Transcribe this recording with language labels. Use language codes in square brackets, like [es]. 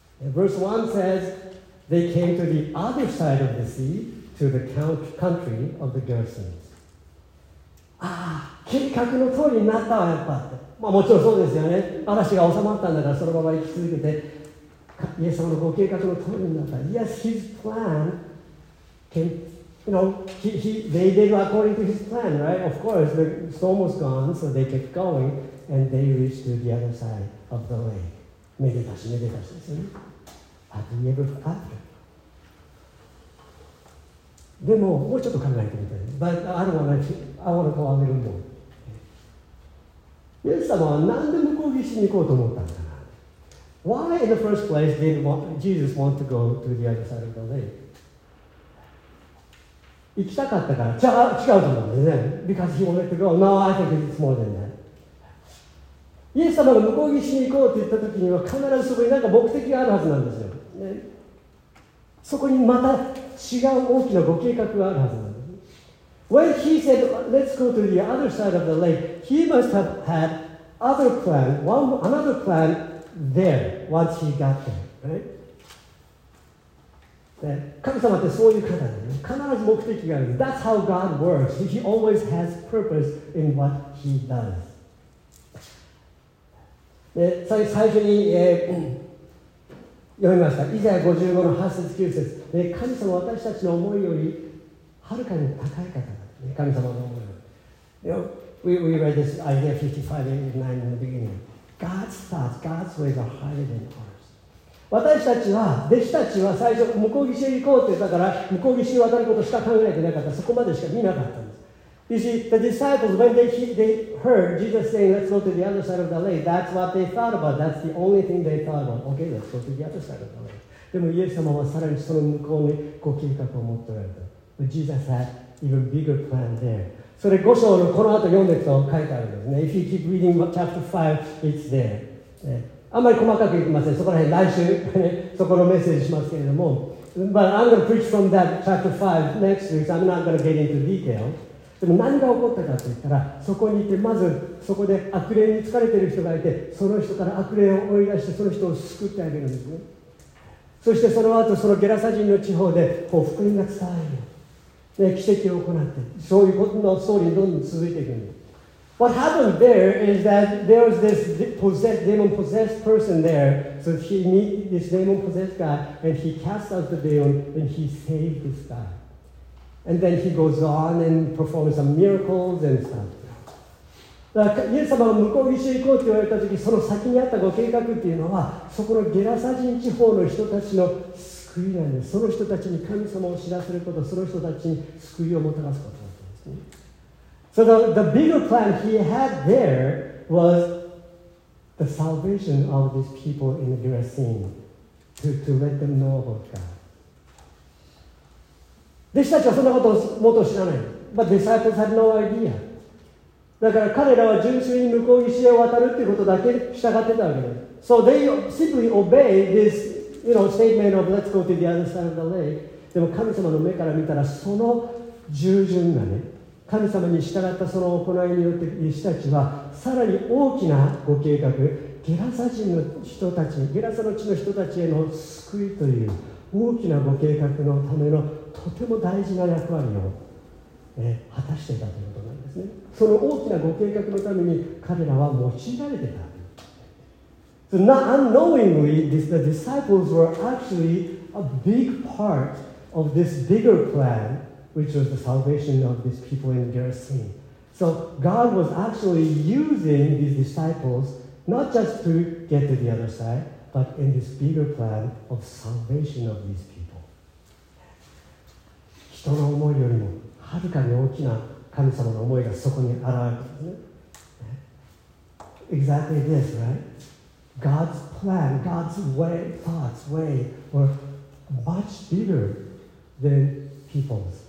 [en] Verse 1 says, they came to the other side of the sea, to the country of the Gerasenes. [ja] ああ、計画の通りになったわ、やっぱって。まあもちろんそうですよね。嵐が収まったんだから、そのまま行き続けて、イエス様のご計画の通りになった。 [en] Yes, his plan came, You know, they did according to his plan, right? Of course, the storm was gone, so they kept going, and they reached to the other side of the lake. [ja] めでたし、めでたしですね。 [en] Happy ever after. [ja] でも、もうちょっと考えてみたい。 [en] But I want to go a little more. [ja] イエス様はなんで向こう岸に行こうと思ったのかな。 [en] Why in the first place did Jesus want to go to the other side of the lake? [ja] 行きたかったから違うと思うんですね。 [en] Because he wanted to go. No, I think it's more than that. [ja] イエス様が向こう岸に行こうと言った時には必ずそこに何か目的があるはずなんですよ。ね、そこにまた違う大きなご計画があるはずなんです。 [en] When he said, let's go to the other side of the lake, he must have had other plan, one, another plan there once he got there, right? [ja] 神様ってそういう方だよね。必ず目的がある。 [en] That's how God works. He always has purpose in what he does. [ja] で、最初に、読みました。イザヤ55の8節9節。で、神様は私たちの思いよりはるかに高い方だ。神様の思い。 [en] You know, we read this Isaiah 55 and 9 in the beginning. God's thoughts, God's ways are higher than ours. [ja] 私たちは、弟子たちは最初、向こう岸へ行こうって言ったから、向こう岸へ渡ることしか考えてなかった。そこまでしか見なかったんです。 [en] You see, the disciples, when they heard Jesus saying, let's go to the other side of the lake, that's what they thought about. That's the only thing they thought about. Okay, let's go to the other side of the lake. [ja] でも、イエス様はさらにその向こうにご計画を持っておられた。 [en] But Jesus had even bigger plan there. [ja] それ5章のこの後読んでいくと書いてあるんですね。 [en] If you keep reading chapter 5, it's there. [ja] あんまり細かく言いません。そこら辺、来週、ね、そこのメッセージしますけれども。 [en] But I'm going to preach from that chapter 5 next week, so I'm not going to get into detail. [ja] でも何が起こったかと言ったら、そこにいて、まずそこで悪霊に疲れている人がいて、その人から悪霊を追い出して、その人を救ってあげるんですね。そしてその後、そのゲラサ人の地方で、こう、福音が伝わるよ。で、奇跡を行って、そういうことのストーリーにどんどん続いていくんです。 [en] What happened there is that there was this demon-possessed person there. So he met this demon-possessed guy, and he cast out the demon, and he saved this guy. And then he goes on and performs some miracles and stuff. [ja] だから、イエス様が向こう岸へ行こうって言われた時、その先にあったご計画っていうのは、そこのゲラサ人地方の人たちの救いなんです。その人たちに神様を知らせること、その人たちに救いをもたらすことだったんですね。 [en] So the bigger plan he had there was the salvation of these people in the Gerasim to let them know about God. [ja] 弟子たちはそんなことをもっと知らない。 [en] But disciples had no idea. [ja] だから彼らは純粋に向こう岸へ渡るということだけ従ってたわけです。 [en] So they simply obey this, you know, statement of let's go to the other side of the lake. [ja] でも神様の目から見たらその従順がね、神様に従ったその行いによって弟子たちはさらに大きなご計画、ゲラサ人の人たち、ゲラサの地の人たちへの救いという大きなご計画のためのとても大事な役割を、果たしていたということなんですね。その大きなご計画のために彼らは用いられていた。 [en] So not unknowingly, the disciples were actually a big part of this bigger plan. Which was the salvation of these people in Gerasene. So God was actually using these disciples not just to get to the other side, but in this bigger plan of salvation of these people. [ja] 人の思いよりもはるかに大きな神様の思いがそこに現れるんですね。 [en] Exactly this, right? God's plan, God's way, thoughts, way were much bigger than people's.